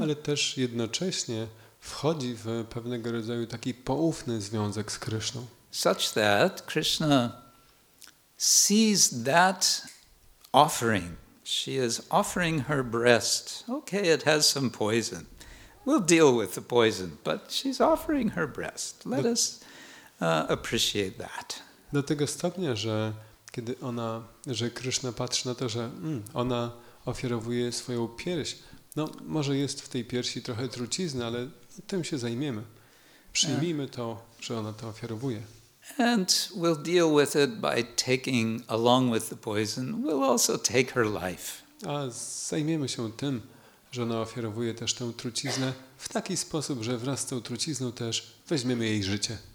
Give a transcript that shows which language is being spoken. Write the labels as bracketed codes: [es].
[pl] Ale też jednocześnie wchodzi w pewnego rodzaju taki poufny związek z Krishną. [en] Such that Krishna sees that offering. She is offering her breast. Okay, it has some poison. We'll deal with the poison, but she's offering her breast. Let us appreciate that. [pl] Do tego stopnia, że kiedy ona, że Krishna patrzy na to, że ona ofiarowuje swoją pierś. No, może jest w tej piersi trochę trucizny, ale tym się zajmiemy. Przyjmijmy to, że ona to ofiarowuje. [en] And we'll deal with it by taking along with the poison. We'll also take her life. [pl] A zajmiemy się tym, że ona ofiarowuje też tę truciznę w taki sposób, że wraz z tą trucizną też weźmiemy jej życie.